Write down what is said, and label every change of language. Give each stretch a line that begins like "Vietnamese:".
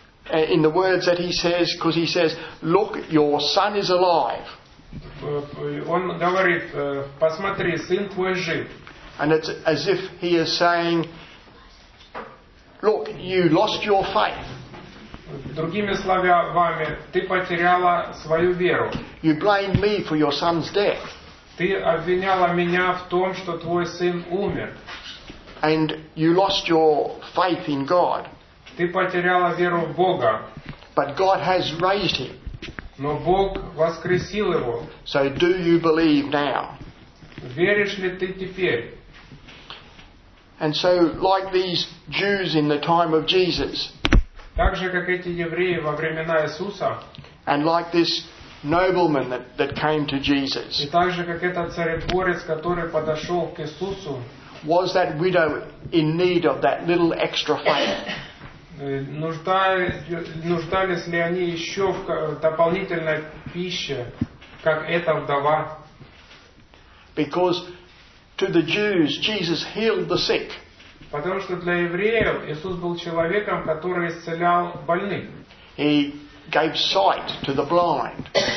English: In the words that he says, because he says, "Look, your son is alive."
Russian: Он говорит, посмотри, сын твой жив.
English: And it's as if he is saying, "Look, you lost your faith."
Russian: Другими словами, ты потеряла свою веру.
English: You blame me for your son's death.
Russian: Ты обвиняла меня в том, что твой сын умер.
English: And you lost your faith in God.
Russian: Ты потеряла веру в Бога.
English: But God has raised him.
Russian: Но Бог воскресил его.
English: So do you believe now?
Russian: Веришь ли ты теперь?
English: And so, like these Jews in the time of Jesus,
Russian: так же, как эти евреи во времена Иисуса,
English: and like this nobleman that came to Jesus,
Russian: и так же, как этот царедворец, который подошел к Иисусу,
English: was that widow in need of that little extra faith?
Russian: Нуждались ли они еще в дополнительной пище, как эта вдова?
English: Because to the Jews, Jesus healed the sick.
Russian: Потому что для евреев Иисус был человеком, который исцелял больных.
English: He gave sight to the blind.